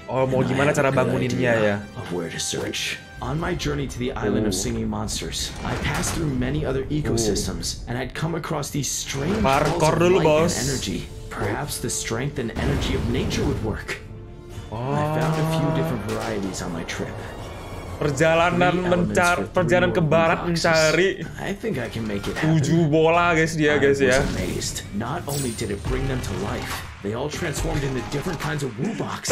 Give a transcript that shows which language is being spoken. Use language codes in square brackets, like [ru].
[id] Oh, mau gimana cara banguninnya ya? [en] Of where to search. On my journey to the island of singing monsters, I passed through many other ecosystems, and I'd come across these strange balls of light and energy. Perhaps the strength and energy of nature would work. I found a few different varieties on my trip. [id] Perjalanan mencari, perjalanan ke barat mencari. [en] I think I can make it. [id] 7 bola guys dia guys ya. [en] Amazed. Not only did it bring them to life, they all transformed into different kinds of Wubbox.